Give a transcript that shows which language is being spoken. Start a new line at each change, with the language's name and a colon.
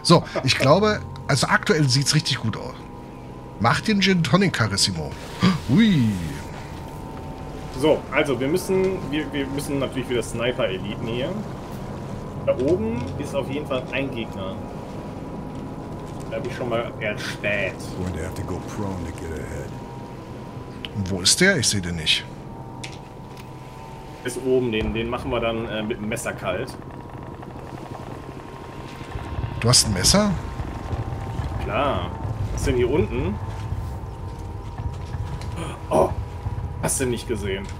German: So, ich glaube, also aktuell sieht es richtig gut aus. Mach den Gin Tonic, Carissimo. Hui. So, also wir müssen natürlich wieder Sniper Eliten hier. Da oben ist auf jeden Fall ein Gegner. Da bin ich schon mal eher spät.
English: Going to have to go prone to get ahead.
German: Wo ist der? Ich sehe den nicht. Ist oben, den machen wir dann mit dem Messer kalt. Du hast ein Messer? Klar. Was ist denn hier unten? Oh, hast du nicht gesehen.